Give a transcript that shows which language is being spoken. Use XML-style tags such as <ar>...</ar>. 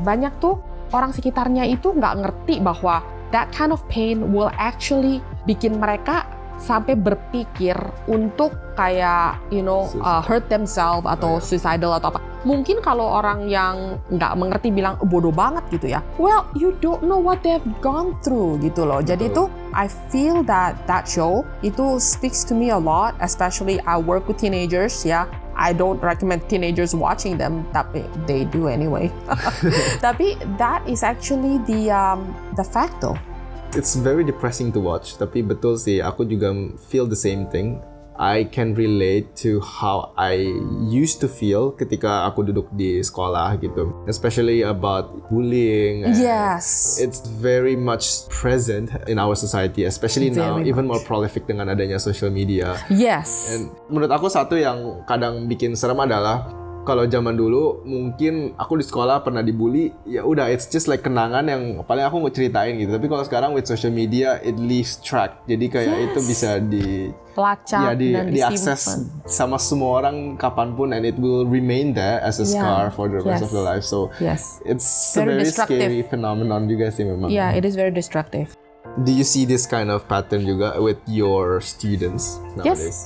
<id>Banyak tuh orang sekitarnya itu nggak ngerti bahwa</id> <en>that kind of pain will actually</en> <id>bikin mereka sampai berpikir untuk kayak,</id> <en>you know, hurt themselves</en> <id>atau suicidal atau apa. Mungkin kalau orang yang nggak mengerti bilang bodoh banget gitu ya.</id> <en>Well, you don't know what they've gone through gitu loh.</en> <id>Jadi itu,</id> <en>I feel that show itu speaks to me a lot, especially I work with teenagers ya. I don't recommend teenagers watching them, tapi they do anyway. Tapi that is actually the fact though. It's very depressing to watch,</en> <id>tapi betul sih, aku juga</id> <en>feel the same thing. I can relate to how I used to feel</en> <id>ketika aku duduk di sekolah gitu.</id> <en>Especially about bullying. Yes. It's very much present in our society, especially very now, much. Even more prolific dengan adanya social media. Yes.</en> <id>And menurut aku satu yang kadang bikin serem adalah kalau zaman dulu mungkin aku di sekolah pernah dibully, ya udah</id> <en>it's just like</en> <id>kenangan yang paling aku mau ceritain gitu. Tapi kalau sekarang</id> <en>with social media it leaves track.</en> <id>Jadi kayak itu bisa dilacak ya, diakses sama semua orang kapanpun</id> <en>and it will remain there as a scar for the rest of the life. So it's very a very scary phenomenon</en> <id>juga sih memang.</id> <en>Yeah, it is very destructive. Do you see this kind of pattern juga with your students nowadays?</en>